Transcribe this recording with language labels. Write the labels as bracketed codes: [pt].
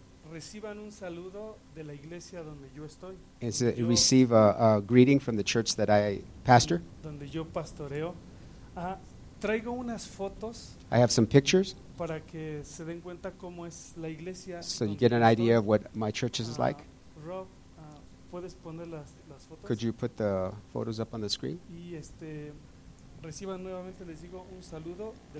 [es] Reciban un saludo de la iglesia donde yo estoy. [en] Receive a greeting from the church that I pastor. [es] Donde yo pastoreo. Traigo unas fotos. [en] I have some pictures. [es] Para que se den cuenta cómo es la iglesia. [en] So you get an idea of what my church is like. [es] Rob, ¿puedes poner las fotos? [en] Could you put the photos up on the screen? [es] Y reciban nuevamente, les digo, un saludo de